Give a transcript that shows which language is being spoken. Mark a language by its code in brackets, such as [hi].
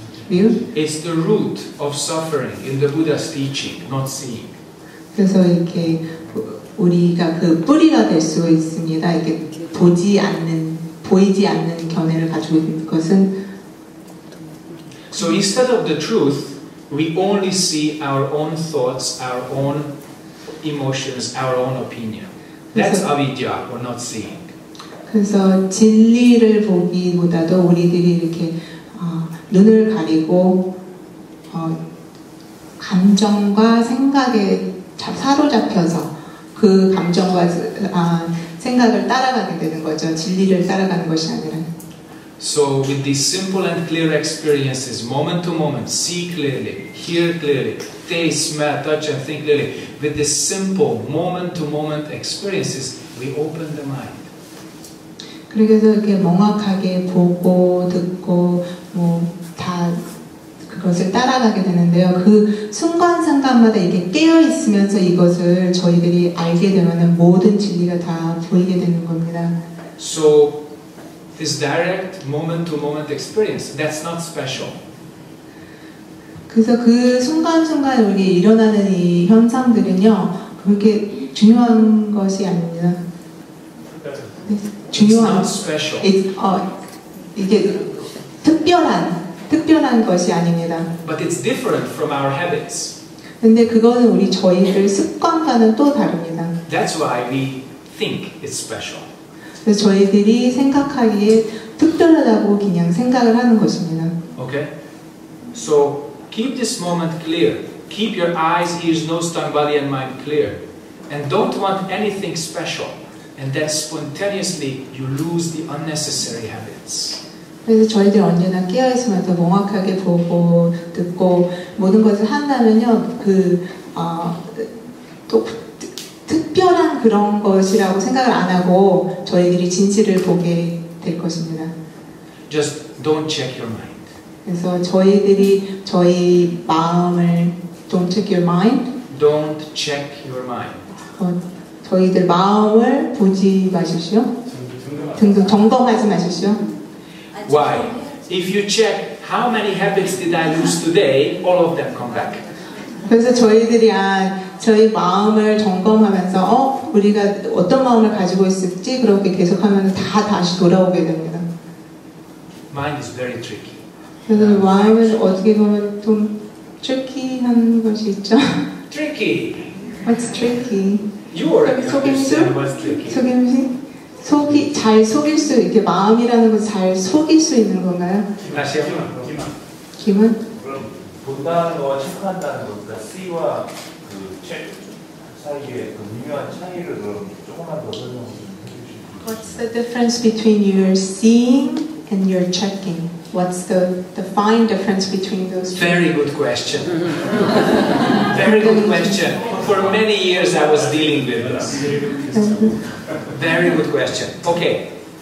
[en] It's the root of suffering in the Buddha's teaching, not seeing. [ko] 그래서 이렇게 우리가 그 뿌리가 될 수 있습니다. 이게 보이지 않는 견해를 가지고 있는 것은. [en] So instead of the truth, we only see our own thoughts, our own emotions, our own opinion. That's avidya, or not seeing. [ko] 그래서 진리를 보기보다도 우리들이 이렇게 눈을 가리고 감정과 생각에 사로잡혀서 그 감정과 생각을 따라가게 되는 거죠. 진리를 따라가는 것이 아니라. [en] So with these simple and clear experiences, moment to moment, see clearly, hear clearly, taste, smell, touch and think clearly. With these simple moment to moment experiences, we open the mind. [ko] 그래서 이렇게 명확하게 보고 듣고 뭐 다 그것을 따라가게 되는데요. 그 순간순간마다 이게 깨어 있으면서 이것을 저희들이 알게 되면은 모든 진리가 다 보이게 되는 겁니다. [en] So this direct moment to moment experience that's not special. [ko] 그래서 그 순간순간 우리 일어나는 이 현상들은요. 그렇게 중요한 것이 아닙니다. 중요한 [en] It's not special. [ko] 이게 특별한 것이 아닙니다. [en] But it's different from our habits. [ko] 근데 그거는 우리 저희들 습관과는 또 다릅니다. [en] That's why we think it's special. [ko] 그래서 저희들이 생각하기에 특별하다고 그냥 생각을 하는 것입니다. [en] Okay. So keep this moment clear. Keep your eyes, ears, nose, tongue, body, and mind clear. And don't want anything special. And then spontaneously you lose the unnecessary habits. [ko] 그래서 저희들이 언제나 깨어있으면 더 명확하게 보고 듣고 모든 것을 한다면요 그 또 특별한 그런 것이라고 생각을 안 하고 저희들이 진실을 보게 될 것입니다. [en] Just don't check your mind. [ko] 그래서 저희들이 저희 마음을 [en] don't check your mind. Don't check your mind. [ko] 저희들 마음을 보지 마십시오. 점검하지 마십시오. [en] Why? If you check how many habits did I lose today, all of them come back. [ko] 그래서 저희들이 저희 마음을 점검하면서 우리가 어떤 마음을 가지고 있을지 그렇게 계속하면 다 다시 돌아오게 됩니다. [en] Mind is very tricky. [ko] 그래서 마음은 어떻게 보면 좀 tricky한 것이 있죠. [en] Tricky. What's tricky? You already understand what's tricky. [ko] 속임수? 속이 잘 속일 수 이렇게 마음이라는 건 잘 속일 수 있는 건가요? 김아시아 김아. 김은? 그럼 본다는 거와 체크한다는 거, 그러니까 C와 그 check 사이에 그 미묘한 차이를 그럼 조금만 더 설명해 주시면. [en] What's the difference between your seeing and your checking? What's the fine difference between those two? Very good question. Very good question. For many years I was dealing with this. Very good question. Okay.